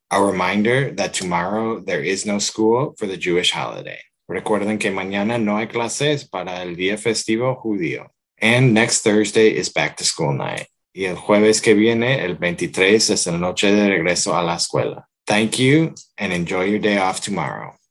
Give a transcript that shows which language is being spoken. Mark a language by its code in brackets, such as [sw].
[en] A reminder that tomorrow there is no school for the Jewish holiday. [es] Recuerden que mañana no hay clases para el día festivo judío. [en] And next Thursday is back to school night. [es] Y el jueves que viene, el 23, es la noche de regreso a la escuela. [en] Thank you and enjoy your day off tomorrow.